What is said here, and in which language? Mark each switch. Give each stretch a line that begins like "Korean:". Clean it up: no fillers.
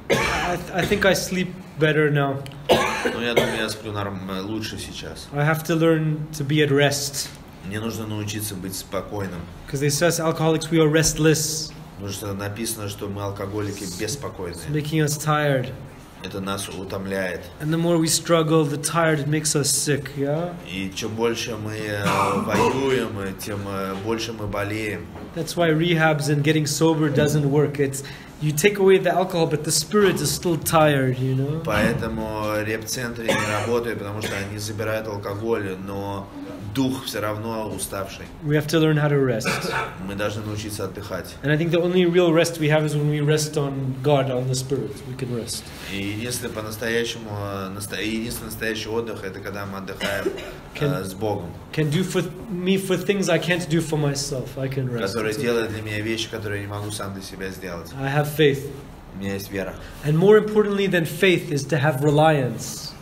English: I think I sleep better now.
Russian: Ну, я думаю, я сплю лучше сейчас.
English: I have to learn to be at rest.
Russian: Мне нужно научиться быть спокойным.
English: Because they say alcoholics, we are restless.
Russian: Потому что написано, что мы алкоголики беспокойные.
English: It's making us tired.
Russian: Это нас утомляет.
English: And the more we struggle, the tired it makes us sick, yeah?
Russian: И чем больше мы воюем, тем больше мы болеем.
English: That's why rehabs and getting sober doesn't work. It's you take away the alcohol, but the spirit is still tired, you know?
Russian: Поэтому реп-центры не работают, потому что они забирают алкоголь, но дух все равно уставший.
English: We have to learn how to rest.
Russian: Мы должны научиться отдыхать.
English: And I think the only real rest we have is when we rest on God, on the Spirit. We can rest.
Russian: И единственный по-настоящему, единственный настоящий отдых, это когда мы отдыхаем с Богом.
English: Can do for me for things I can't do for myself. I can rest.
Russian: Который делает для меня вещи, которые я не могу сам для себя сделать.
English: I have faith.
Russian: У меня есть вера.
English: And more importantly than faith is to have reliance.